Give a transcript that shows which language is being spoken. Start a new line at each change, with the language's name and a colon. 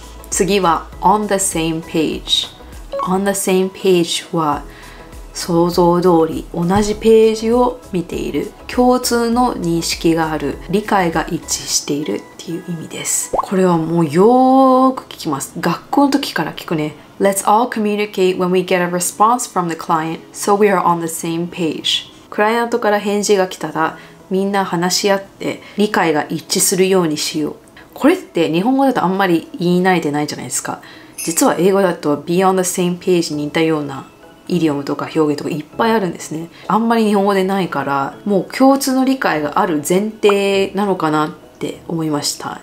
Japanese: 次は On the same page。 On the same page は想像通り同じページを見ている、共通の認識がある、理解が一致しているっていう意味です。これはもうよく聞きます。学校の時から聞くね。
English: Let's all communicate when we get a response from the client so we are on the same page。
Japanese: クライアントから返事が来たらみんな話し合って理解が一致するようにしよう。これって日本語だとあんまり言い慣れてないじゃないですか。実は英語だと Be on the same page に似たようなイディオムとか表現とかいっぱいあるんですね。あんまり日本語でないから、もう共通の理解がある前提なのかなって思いました。